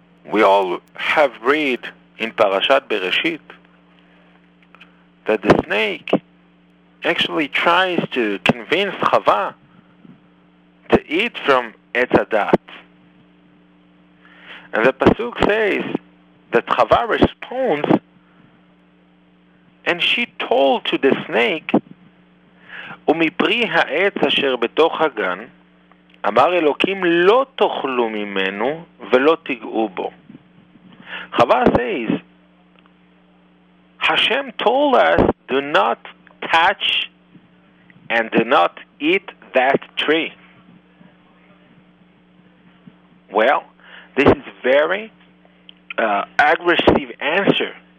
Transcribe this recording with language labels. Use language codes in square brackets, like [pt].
[en] We all have read in Parashat Bereshit that the snake actually tries to convince Chava to eat from Etz Hadat. And the Pasuk says that Chava responds, and she told to the snake, [he] ומפרי העץ אשר בתוך הגן, אמר אלוקים, לא תאכלו ממנו ולא תגעו בו. [en] חווה says, Hashem told us, do not touch and do not eat that tree. Well, this is very aggressive answer.